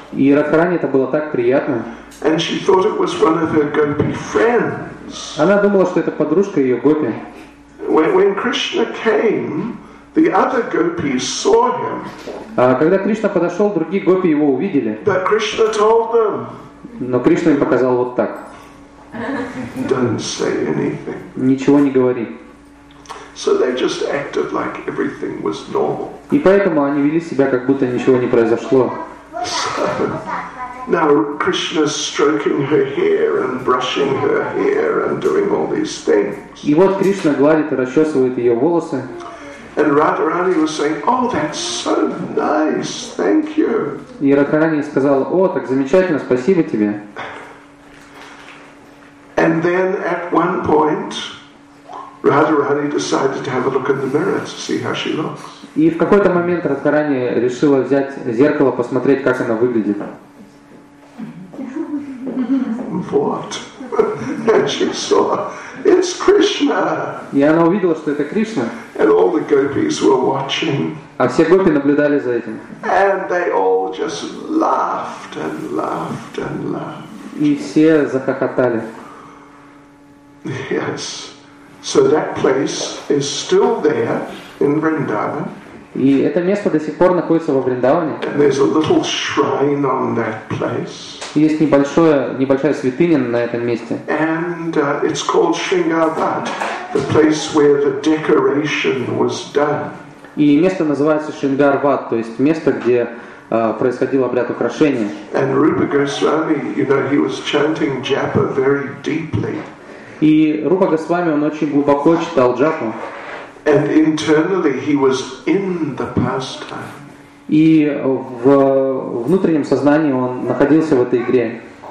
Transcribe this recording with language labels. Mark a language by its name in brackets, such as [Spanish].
[Russian] И Радхарани это было так приятно. [English] And she thought it was one of her gopi friends. [Russian] Она думала, что это подружка ее гопи. [English] When Krishna came, the other gopis saw him. [Russian] Когда Кришна подошел, другие гопи его увидели. [English] But Krishna told them. [Russian] Но Кришна им показал вот так. [English] Don't say anything. [Russian] Ничего не говори. [English] So they just acted like everything was normal. [Russian] И поэтому они вели себя, как будто ничего не произошло. [English] So, now Krishna's stroking her hair and brushing her hair and doing all these things. [Russian] И вот Кришна гладит и расчесывает ее волосы. [English] And Radharani was saying, "Oh, that's so nice. Thank you." [Russian] И Радхарани сказала: "О, так замечательно, спасибо тебе." [English] And then at one point, Radharani decided to have a look in the mirror to see how she looks. [Russian] И в какой-то момент Радхарани решила взять зеркало, посмотреть, как она выглядит. [English] What? And she saw, it's Krishna. [Russian] И она увидела, что это Кришна. [English] And all the gopis were watching. [Russian] А все гопи наблюдали за этим. [English] And they all just laughed and laughed and laughed. [Russian] И все захохотали. [English] Yes. So that place is still there in Vrindavan. [Russian] И это место до сих пор находится во Вриндаване. [English] And there's a little shrine on that place. [Russian] Есть небольшая святыня на этом месте. [English] And it's called Shringarbhat, the place where the decoration was done. [Russian] И место называется Шрингарбхат, то есть место, где происходил обряд украшения. [English] And Rupa Goswami, you know, he was chanting japa very deeply. [Russian] И Рупа Госвами, он очень глубоко читал джапу. [English] And internally he was in the pastime. [Russian] И в внутреннем сознании он находился в этой игре.